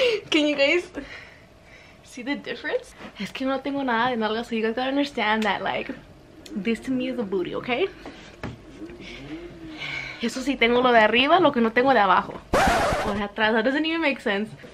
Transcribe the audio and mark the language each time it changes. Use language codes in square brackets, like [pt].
[en] Can you guys see the difference? [es] Es que no tengo nada, nalga, [en] so you guys gotta understand that like this to me is a booty, okay? [es] Eso sí tengo lo de arriba, lo que no tengo de abajo. O de atrás, [en] that doesn't even make sense.